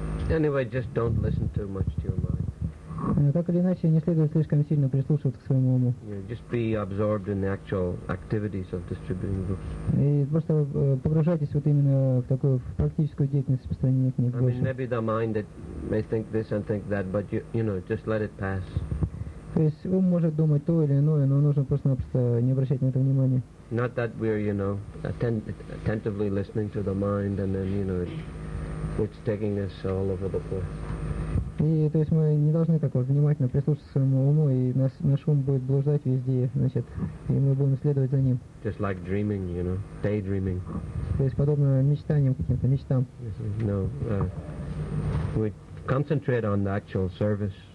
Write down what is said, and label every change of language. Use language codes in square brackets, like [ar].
[en] Anyway, just don't listen too much to your mind. [ru] Так или иначе, не следует слишком сильно прислушиваться к своему уму. [en] Yeah, just be absorbed in the actual activities of distributing books. [ru] И просто погружайтесь вот именно в такую практическую деятельность распространения книг. [en] I mean, maybe the mind that may think this and think that, but you know, just let it pass. [ru] То есть ум может думать то или иное, но нужно просто-напросто не обращать на это внимания. [en] Not that we're, you know, attentively listening to the mind and then, you know, it's taking us all over the place. [ru] И то есть мы не должны так вот внимательно прислушаться к своему уму, и наш ум будет блуждать везде, значит, и мы будем следовать за ним. [en] Just like dreaming, you know, daydreaming. [ru] То есть подобно мечтаниям каким-то, мечтам. [en] No, we concentrate on the actual service.